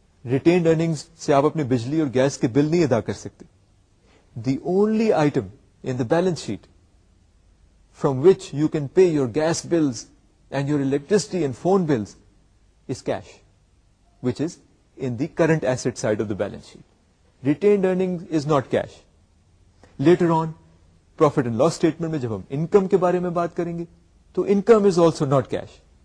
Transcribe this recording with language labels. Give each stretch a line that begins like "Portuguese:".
Urdu: Retained earnings سے آپ اپنے بجلی اور گیس کے بل نہیں ادا کر سکتے.
English: The only item in the balance sheet from which you can pay your gas bills and your electricity and phone bills is cash which is in the current asset side of the balance sheet. Retained earnings is not cash.
Urdu: Later on profit and loss statement میں جب ہم income کے بارے میں بات کریں گے تو
English: Income is also not cash.